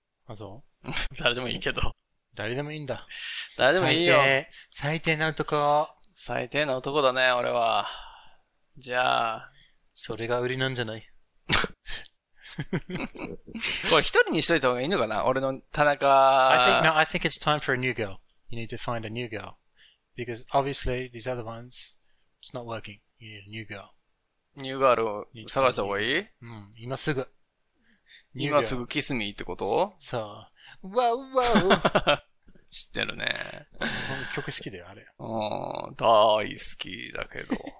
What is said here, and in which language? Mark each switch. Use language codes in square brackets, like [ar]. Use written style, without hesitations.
[ja] あ、そう誰でもいいけど。誰でもいいんだ。誰でもいいよ。最低な男。最低な男だね、俺は。じゃあ。それが売りなんじゃない？これ一人にしといた方がいいのかな？俺の田中。 [en] I think it's time for a new girl. You need to find a new girl. Because obviously these other ones, it's not working. You need a new girl. [ja] ニューガールを探した方がいい？うん、今すぐ。今すぐキスミーってこと？そう。わうわう。知ってるね。曲好きだよ、あれ。大好きだけど。